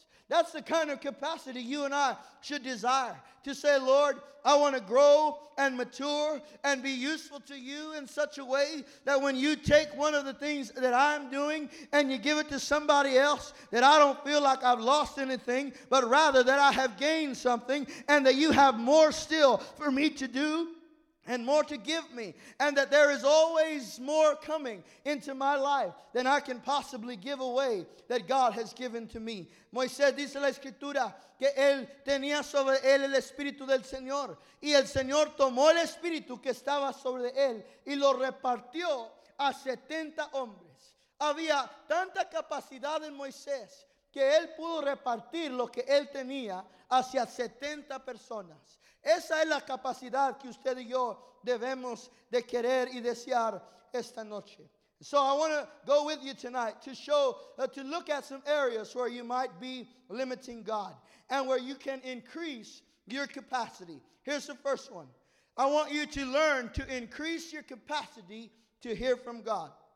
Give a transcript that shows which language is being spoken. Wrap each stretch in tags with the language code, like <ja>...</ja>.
<en>That's the kind of capacity you and I should desire, to say, Lord, I want to grow and mature and be useful to you in such a way that when you take one of the things that I'm doing and you give it to somebody else, that I don't feel like I've lost anything, but rather that I have gained something, and that you have more still for me to do and more to give me, and that there is always more coming into my life than I can possibly give away that God has given to me.</en> <es>Moisés dice la escritura que él tenía sobre él el espíritu del Señor, y el Señor tomó el espíritu que estaba sobre él y lo repartió a 70 hombres. Había tanta capacidad en Moisés que él pudo repartir lo que él tenía hacia 70 personas. Esa es la capacidad que usted y yo debemos de querer y desear esta noche.</es> <en>So I want to go with you tonight to look at some areas where you might be limiting God and where you can increase your capacity. Here's the first one. I want you to learn to increase your capacity to hear from God.</en>